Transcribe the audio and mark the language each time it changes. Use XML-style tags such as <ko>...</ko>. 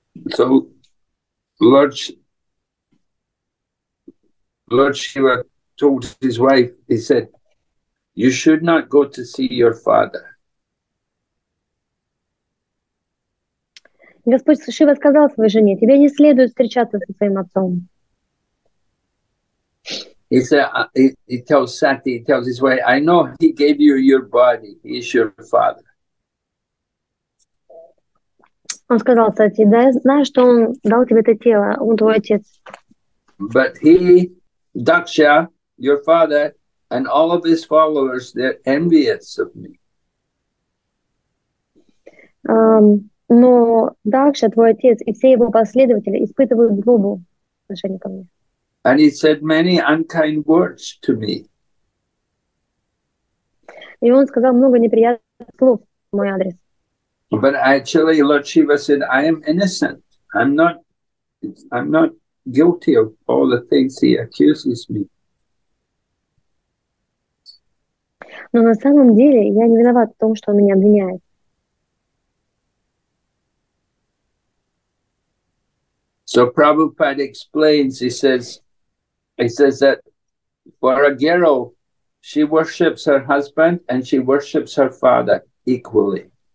<en>So Lord Shiva told his wife, he said, you should not go to see your father.</en> <ru>Господь Шива сказал своей жене, тебе не следует встречаться со своим отцом.</ru> <en>He said, he tells his wife, I know he gave you your body, he is your father.</en> <ru>Он сказал, кстати, да, я знаю, что он дал тебе это тело, он твой отец.</ru> <en>But he, Daksha, your father, and all of his followers, they're envious of me.</en> <ru>Но Дакша, твой отец, и все его последователи испытывают злобу в отношении ко мне.</ru> <en>And he said many unkind words to me.</en> <ru>И он сказал много неприятных слов в мой адрес.</ru> <en>But actually, Lord Shiva said, I am innocent. I'm not guilty of all the things he accuses me.</en> <ru>Но на самом деле я не виноват в том, что он меня обвиняет.</ru> <en>So Prabhupada explains, he says that for a girl, she worships her husband and she worships her father equally.</en>